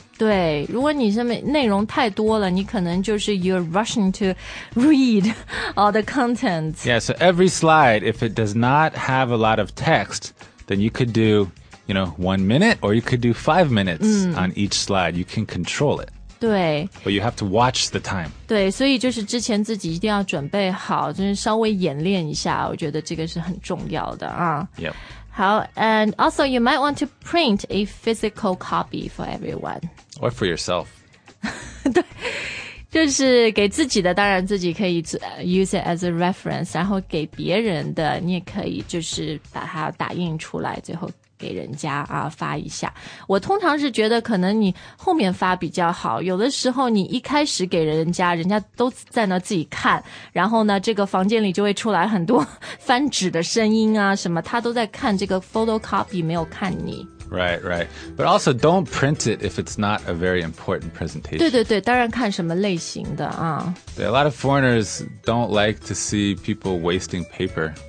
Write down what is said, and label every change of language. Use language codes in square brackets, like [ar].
[zh] 对，如果你上面内容太多了，你可能就是 [en] you're rushing to read all the contents. Yeah, so every slide, if it does not have a lot of text, then you could do, you know, 1 minute or you could do 5 minutes on each slide. You can control it. [zh] 对。 [en] But you have to watch the time. [zh] 对，所以就是之前自己一定要准备好，就是稍微演练一下，我觉得这个是很重要的啊。 [en] Yep. 好 and also you might want to print a physical copy for everyone. Or for yourself. [zh] 对，就是给自己的，当然自己可以 [en] use it as a reference, [zh] 然后给别人的，你也可以就是把它打印出来，最后给人家啊发一下。我通常是觉得可能你后面发比较好，有的时候你一开始给人家，人家都在那自己看，然后呢这个房间里就会出来很多翻纸的声音啊什么，他都在看这个 photocopy, 没有看你。 [en] Right, right. But also don't print it if it's not a very important presentation. [zh] 对对对，当然看什么类型的啊。 [en] A lot of foreigners don't like to see people wasting paper.